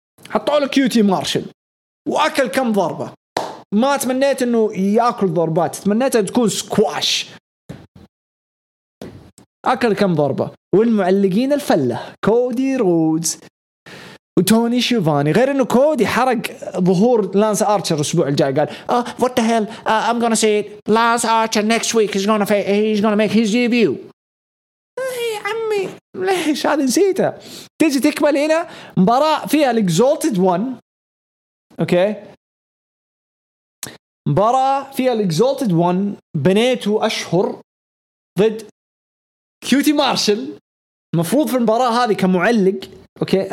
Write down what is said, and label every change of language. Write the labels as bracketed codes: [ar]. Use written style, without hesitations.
[ar] حطوا له كيوتي مارشل وأكل كم ضربة ما تمنيت إنه يأكل ضربات تمنيت أن تكون سكواش أكل كم ضربة. والمعلقين الفلة كودي رودز وتوني شيفاني غير إنه كودي حرق ظهور لانس آرشر الأسبوع الجاي قال [en] what the hell I'm gonna say it. Lance Archer next week he's gonna make his debut. [ar] ليش هذا نسيته تيجي تكمل هنا مباراة فيها Exalted One أوكي مباراة فيها Exalted One بنيته أشهر ضد كيوتي مارشل مفروض في المباراة هذه كمعلق أوكي.